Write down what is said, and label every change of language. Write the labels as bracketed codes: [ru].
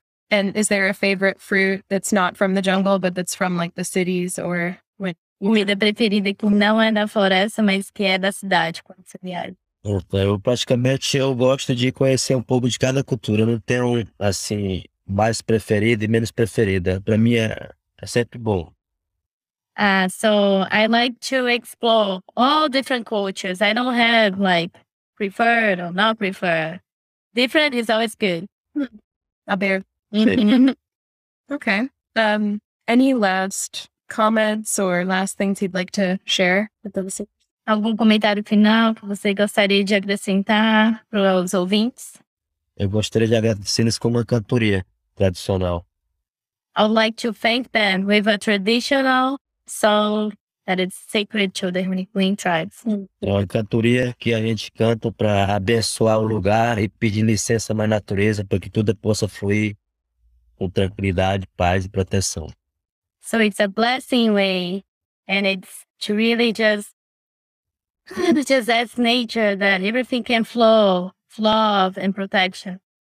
[en] And is there a favorite fruit that's not from the jungle, but that's from like the cities or when? [pt] Comida preferida que não é da floresta, mas que é da cidade, quando você viaja. Eu praticamente eu gosto de conhecer um pouco de cada cultura. Eu não tenho assim, mais preferida e menos preferida. Para mim é sempre bom. [en] So I like to explore all different cultures. I don't have like preferred or not preferred. Different is always good. A bear. Okay. Any last comments or last things you'd like to share with the listeners? [pt] Algum comentário final que você gostaria de acrescentar para os ouvintes? Eu gostaria de agradecê-los com uma cantoria tradicional. [en] I'd like to thank them with a traditional song that is sacred to the Huniquim tribes. [pt] É uma cantoria que a gente canta para abençoar o lugar e pedir licença à natureza para que tudo possa fluir com tranquilidade, paz e proteção. [en] So it's a blessing way, and it's to really just as nature that everything can flow, love and protection.